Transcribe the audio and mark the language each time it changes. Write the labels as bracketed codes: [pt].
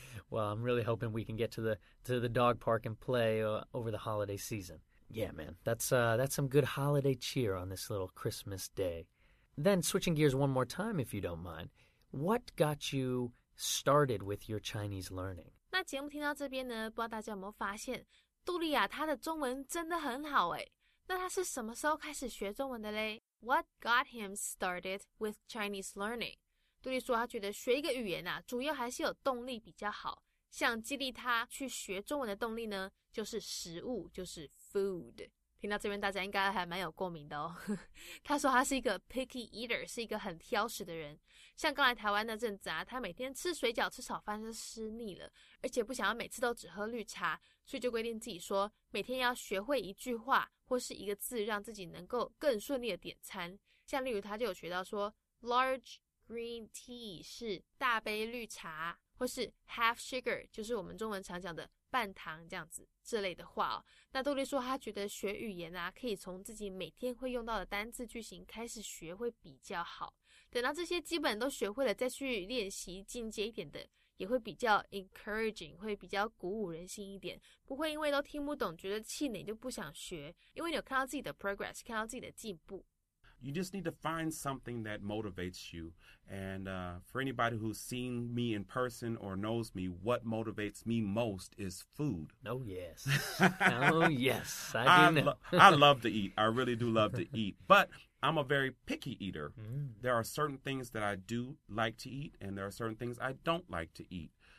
[en] Well, I'm really hoping we can get to the dog park and play over the holiday season. Yeah, man, that's some good holiday cheer on this little Christmas day. Then, switching gears one more time, if you don't mind, what got you started with your Chinese learning? [zh] 那节目听到这边呢, 不知道大家有没有发现, 杜莉亚, 她的中文真的很好诶。那她是什么时候开始学中文的嘞? [en] What got him started with Chinese learning? [zh] 杜莉说她觉得学一个语言啊, 主要还是有动力比较好。像激励他去学中文的动力呢, 就是食物, 就是 food. 听到这边大家应该还蛮有共鸣的哦。他说他是一个 [en] picky eater, [zh] 是一个很挑食的人。像刚来台湾那阵子啊, 他每天吃水饺吃炒饭就吃腻了, 而且不想要每次都只喝绿茶, 所以就规定自己说, 每天要学会一句话, 或是一个字, 让自己能够更顺利的点餐。像例如他就有学到说, [en] large green tea [zh] 是大杯绿茶, 或是 [en] half sugar [zh] 就是我们中文常讲的半糖这样子之类的话哦。那杜莉说她觉得学语言啊，可以从自己每天会用到的单字句型开始学会比较好。等到这些基本都学会了，再去练习进阶一点的，也会比较 [en] encouraging， [zh] 会比较鼓舞人心一点，不会因为都听不懂觉得气馁就不想学，因为你有看到自己的 [en] progress， [zh] 看到自己的进步。 [en] You just need to find something that motivates you. And for anybody who's seen me in person or knows me, what motivates me most is food. Oh, yes. I do know. I love to eat. I really do love to eat. But I'm a very picky eater. Mm. There are certain things that I do like to eat, and there are certain things I don't like to eat.